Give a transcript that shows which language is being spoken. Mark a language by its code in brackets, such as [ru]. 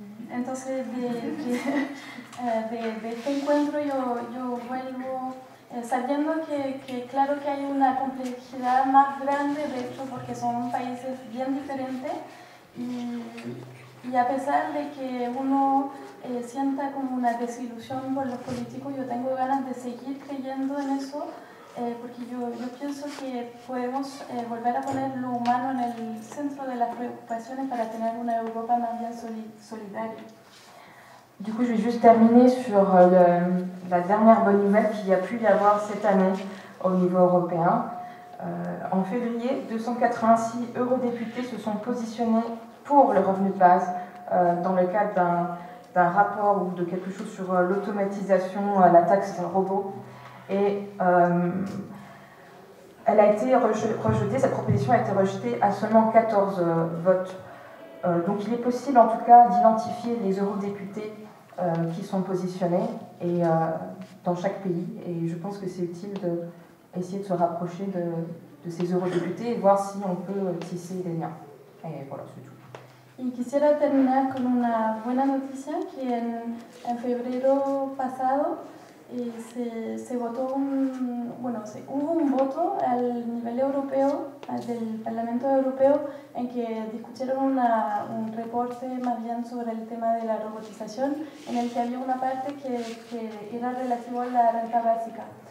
[es] Entonces, de este encuentro yo vuelvo sabiendo que claro que hay una complejidad más grande, de hecho, porque son países bien diferentes y a pesar de que uno sienta como una desilusión por los políticos, yo tengo ganas de seguir creyendo en eso porque yo pienso que podemos volver a poner lo humano en el centro de las preocupaciones para tener una Europa más bien solidaria. [fr] Du coup, je vais juste terminer sur la dernière bonne nouvelle qu'il y a pu y avoir cette année au niveau européen. En février, 286 eurodéputés se sont positionnés pour le revenu de base dans le cadre d'un rapport ou de quelque chose sur l'automatisation, la taxe robot. Et elle a été rejetée, cette proposition a été rejetée à seulement 14 votes. Donc il est possible en tout cas d'identifier les eurodéputés qui sont positionnés et dans chaque pays et je pense que c'est utile d'essayer de se rapprocher de ces eurodéputés et voir si on peut tisser des liens. Et voilà, c'est tout. [es] Y quisiera terminar con una buena noticia que en febrero pasado se votó hubo un voto al nivel europeo del Parlamento Europeo en que discutieron un reporte más bien sobre el tema de la robotización, en el que había una parte que era relativa a la renta básica.